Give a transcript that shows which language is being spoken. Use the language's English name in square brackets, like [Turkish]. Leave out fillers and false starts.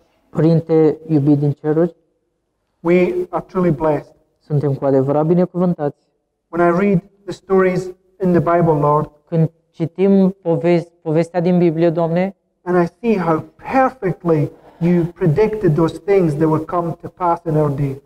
[Romanian] Părinte iubit din ceruri, [English] we are truly blessed. [Romanian] Suntem cu adevărat binecuvântați. [English] When I read the stories in the Bible, Lord, [Romanian] când citim povestea din Biblie, Doamne, [English] and I see how perfectly you predicted those things that would come to pass in our day.